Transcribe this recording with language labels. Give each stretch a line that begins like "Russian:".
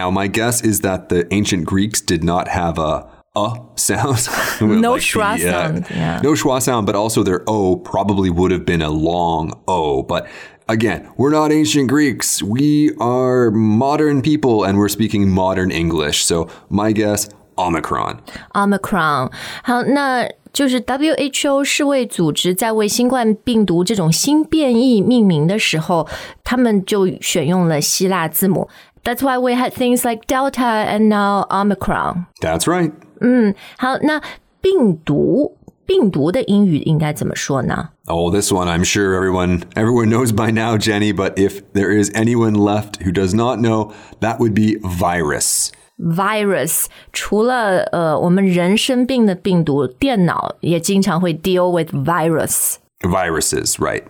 English: Now, my guess is that the ancient Greeks did not have a sound. No like schwa sound. Yeah. No schwa sound, but also their O probably would have been a long O. But again, we're not ancient Greeks. We are modern people and we're speaking modern English. So my guess, Omicron. Omicron.
Chinese: 好，那就是 WHO 世卫组织在为新冠病毒这种新变异命名的时候，他们就选用了希腊字母。
English: That's why we had things like Delta and now Omicron. That's right.
Chinese: 好，那病毒的英语应该怎么说呢？
English: Oh, this one, I'm sure everyone knows by now, Jenny, but if there is anyone left who does not know, that would be virus.
Chinese: Virus, 除了我们人生病的病毒，电脑也经常会
English: deal with virus. Viruses, right.